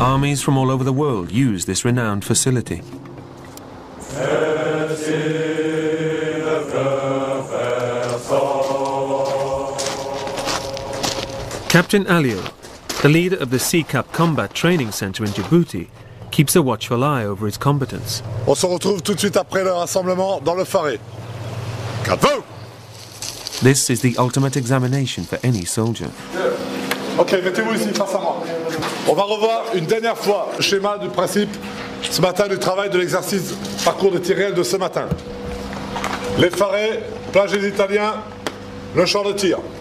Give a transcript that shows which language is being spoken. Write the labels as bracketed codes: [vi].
[en] Armies from all over the world use this renowned facility. Captain Alio, the leader of the CCAP combat training center in Djibouti, keeps a watchful eye over its combatants. [fr] On se retrouve tout de suite après le rassemblement dans le phare. Capot! [en] This is the ultimate examination for any soldier. [fr] Okay, mettez-vous ici, face à moi. On va revoir une dernière fois le schéma du principe ce matin du travail de l'exercice parcours de tir réel de ce matin. Les Farés, plage des Italiens, le champ de tir.